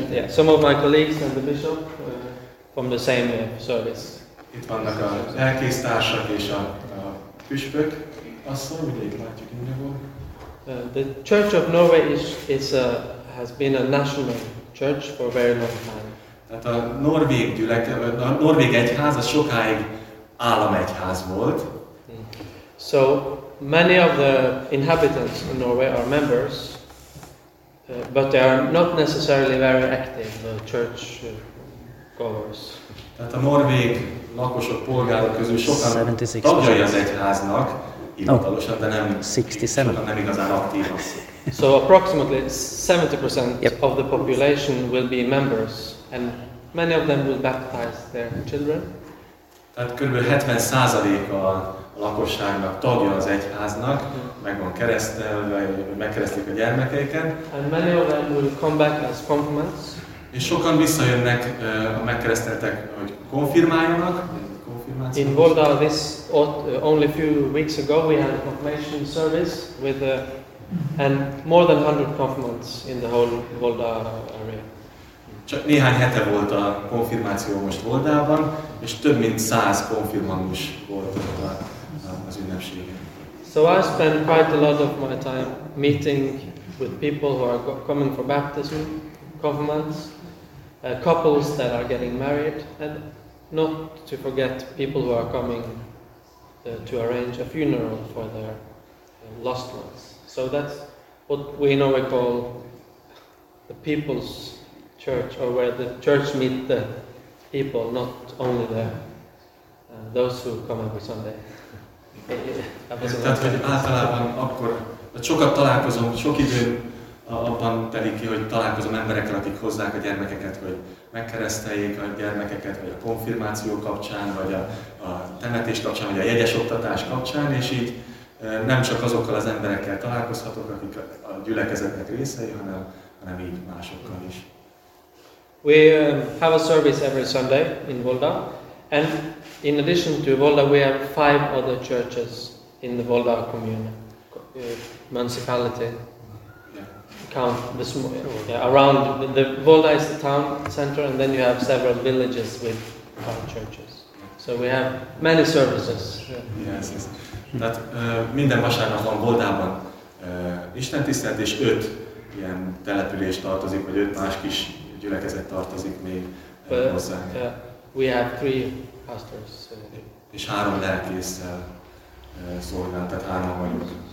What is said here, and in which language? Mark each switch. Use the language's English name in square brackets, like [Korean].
[English] Some of my colleagues and the bishop from the same service. [Hungarian] Itt vannak a lelkésztársak és a püspök. Asszony, ugye itt látjuk Ingeborg. [English] The Church of Norway has been a national church for a very long time. [Hungarian] Tehát a norvég gyülekezet, a norvég egyház az sokáig államegyház volt. [English] So many of the inhabitants in Norway are members, but they are not necessarily very active the church goers. [Hungarian] Tehát a norvég lakosok, polgárok közül sokan tagjai az egyháznak, hivatalosan, de nem, 67. Nem igazán aktívak. [English] So approximately 70% yep. of the population will be members, and many of them will baptize their children. [Hungarian] Tehát kb. 70% a lakosságnak tagja az egyháznak, meg van keresztelve, megkeresztik a gyermekeiket. [English] And many of them will come back as confirmants. [Hungarian] És sokan visszajönnek a megkereszteltek, hogy konfirmáljanak. [English] In Volda this only few weeks ago we had a confirmation service with and more than 100 confirmants in the whole Volda area. [Hungarian] Csak néhány hete volt a konfirmáció most Voldában, és több mint 100 konfirmandus volt az ünnepségen. [English] So I spent quite a lot of my time meeting with people who are coming for baptism, confirmants, couples that are getting married, and not to forget people who are coming to arrange a funeral for their lost ones. So that's what we in Norway call the people's church, or where the church meet the people, not only the those who come every Sunday. [Hungarian] Tehát, hogy általában akkor sokat találkozom, sok idő abban telik ki, hogy találkozom emberekkel, akik hozzák a gyermekeket, hogy megkereszteljék a gyermekeket, vagy a konfirmáció kapcsán, vagy a temetés kapcsán, vagy a jegyes oktatás kapcsán, és így nem csak azokkal az emberekkel találkozhatok, akik a gyülekezetnek részei, hanem így másokkal is. [English] We have a service every Sunday in Volda, and in addition to Volda, we have 5 other churches in the Volda commune, municipality. Count the small, yeah, around the Volda is the town center, and then you have several villages with churches. So we have many services. Yes, yes. [Hungarian] Tehát minden vasárnap van Voldában istentisztelet, és 5 ilyen település tartozik, vagy 5 más kis gyülekezet tartozik még hozzá. [English] We have 3 pastors. [Hungarian] És 3 lelkésszel szolgál, tehát 3 vagyunk.